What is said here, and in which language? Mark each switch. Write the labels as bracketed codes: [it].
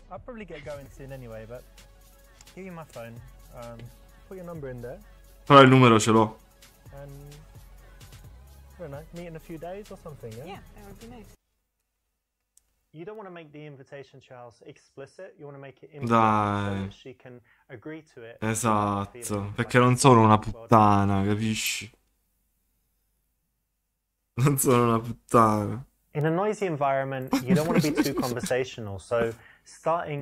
[en] I'll probably get going soon anyway, but give you my phone. Put your number in there. [it] Però il numero ce l'ho. [en] And I don't know, meet in a few days or something. Yeah, that would be nice. You don't want to make the invitation to your house explicit, you want to make it implicit. [it] Dai. [en] So she can agree to it. [it] Esatto, perché non sono una puttana, capisci? Non sono una puttana. [en] In a noisy environment, you don't want to be too conversational, so starting